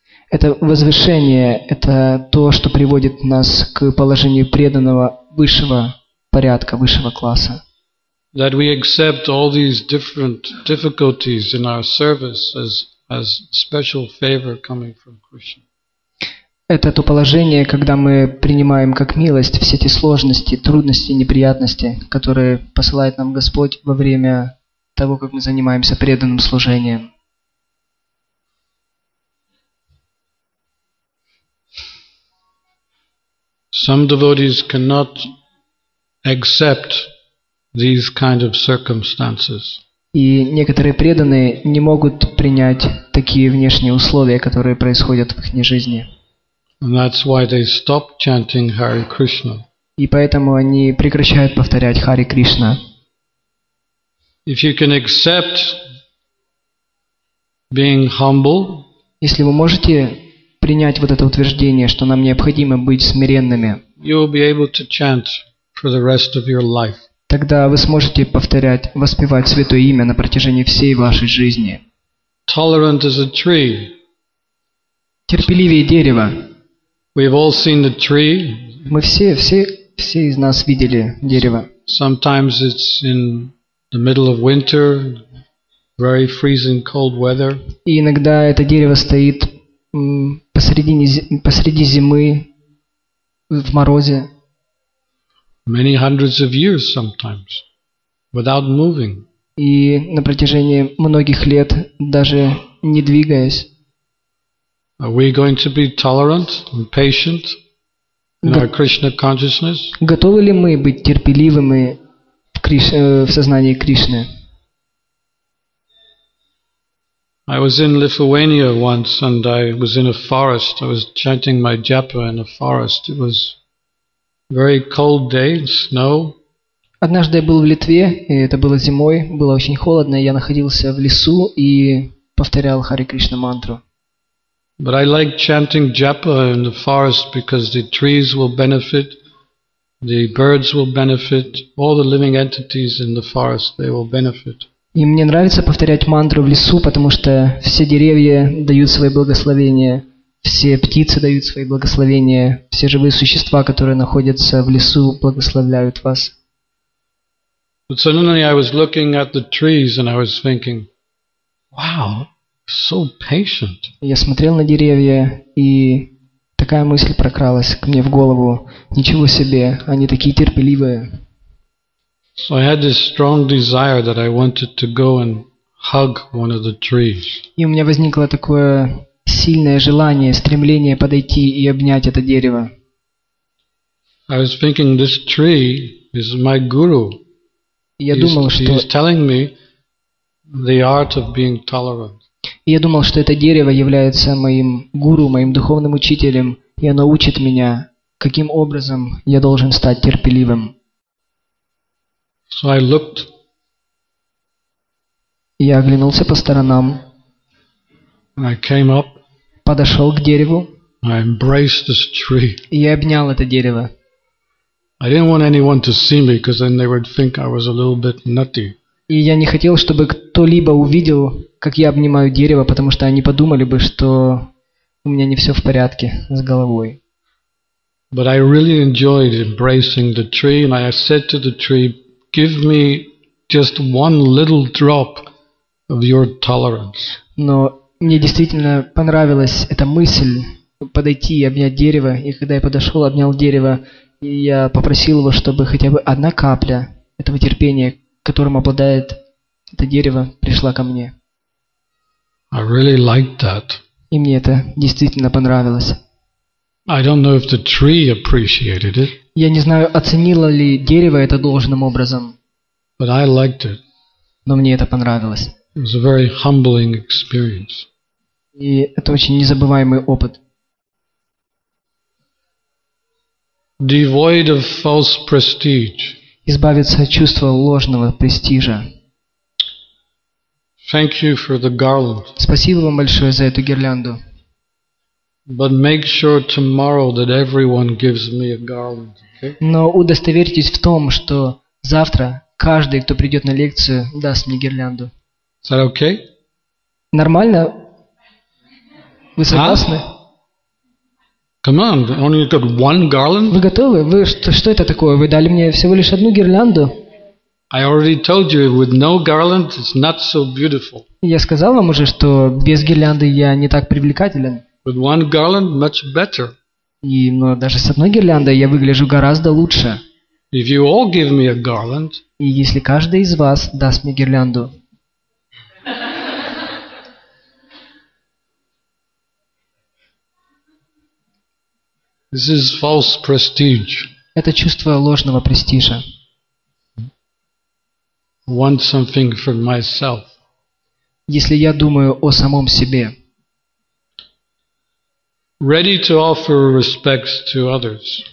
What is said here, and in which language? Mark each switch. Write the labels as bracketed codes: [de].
[ru] Это возвышение, это то, что приводит нас к положению преданного высшего порядка, высшего класса. [en] That we accept all these different difficulties in our service as special favor coming from Krishna. [ru] Это то положение, когда мы принимаем как милость все эти сложности, трудности, неприятности, которые посылает нам Господь во время того, как мы занимаемся преданным служением. [en] Some devotees cannot accept these kind of circumstances. [ru] И некоторые преданные не могут принять такие внешние условия, которые происходят в их жизни. [en] And that's why they stop chanting Hare Krishna. [ru] И поэтому они прекращают повторять Hare Krishna. [en] If you can accept being humble, [ru] если вы можете принять вот это утверждение, что нам необходимо быть смиренными, [en] you will be able to chant for the rest of your life. [ru] Тогда вы сможете повторять, воспевать Святое Имя на протяжении всей вашей жизни. [en] Tolerant as a tree. [ru] Терпеливее дерево. [en] We've all seen the tree. [ru] Мы все из нас видели дерево. [en] Sometimes it's in the middle of winter, very freezing cold weather. [ru] И иногда это дерево стоит посреди зимы, в морозе. [en] Many hundreds of years sometimes, without moving. [ru] И на протяжении многих лет, даже не двигаясь. [en] Are we going to be tolerant and patient in our Krishna consciousness? [ru] Готовы ли мы быть терпеливыми в сознании Кришны? [en] I was in Lithuania once and I was in a forest. I was chanting my japa in a forest. It was very cold day, snow. [ru] Однажды я был в Литве, и это было зимой, было очень холодно, и я находился в лесу и повторял Hare Krishna мантру. [en] But I like chanting japa in the forest because the trees will benefit, The birds will benefit, all the living entities in the forest, they will benefit. [ru] И мне нравится повторять мантру в лесу, потому что все деревья дают свои благословения, все птицы дают свои благословения, все живые существа, которые находятся в лесу, благословляют вас. [en] But suddenly I was looking at the trees and I was thinking, wow, so patient. [ru] Я смотрел на деревья и такая мысль прокралась ко мне в голову. Ничего себе, они такие терпеливые. [en] So I had this strong desire that I wanted to go and hug one of the trees. [ru] И у меня возникло такое сильное желание, стремление подойти и обнять это дерево. [en] I was thinking this tree is my guru. [ru] Я думал, что [en] he's telling me the art of being tolerant. [ru] И я думал, что это дерево является моим гуру, моим духовным учителем, и оно учит меня, каким образом я должен стать терпеливым. [en] So I looked. [ru] Я оглянулся по сторонам. [en] I came up. [ru] Подошел к дереву. [en] I embraced this tree. [ru] И я обнял это дерево. [en] I didn't want anyone to see me, because then they would think I was a little bit nutty. [ru] И я не хотел, чтобы кто-либо увидел, как я обнимаю дерево, потому что они подумали бы, что у меня не все в порядке с головой. [en] But I really enjoyed embracing the tree, and I said to the tree, give me just one little drop of your tolerance. [ru] Но мне действительно понравилась эта мысль подойти и обнять дерево, и когда я подошел, обнял дерево, и я попросил его, чтобы хотя бы одна капля этого терпения, которым обладает это дерево, пришла ко мне. [en] I really liked that. [ru] И мне это действительно понравилось. [en] I don't know if the tree appreciated it. [ru] Я не знаю, оценило ли дерево это должным образом. [en] But I liked it. [ru] Но мне это понравилось. [en] It was a very humbling experience. [ru] И это очень незабываемый опыт. [en] Devoid of false prestige. [ru] Избавиться от чувства ложного престижа. [en] Thank you for the garland. [ru] Спасибо вам большое за эту гирлянду. [en] But make sure tomorrow that everyone gives me a garland. Okay? [ru] Но удостоверьтесь в том, что завтра каждый, кто придет на лекцию, даст мне гирлянду. [en] Is that okay? [ru] Нормально? Вы согласны? [en] Huh? Come on, only got one garland? [ru] Вы готовы? Вы что это такое? Вы дали мне всего лишь одну гирлянду? [en] I already told you, with no garland, it's not so beautiful. [ru] Я сказал вам уже, что без гирлянды я не так привлекателен. [en] With one garland, much better. [ru] И но даже с одной гирляндой я выгляжу гораздо лучше. [en] If you all give me a garland. [ru] И если каждый из вас даст мне гирлянду. [en] This is false prestige. [ru] Это чувство ложного престижа. [en] Want something for myself. [ru] Если я думаю о самом себе. [en] Ready to offer respects to others.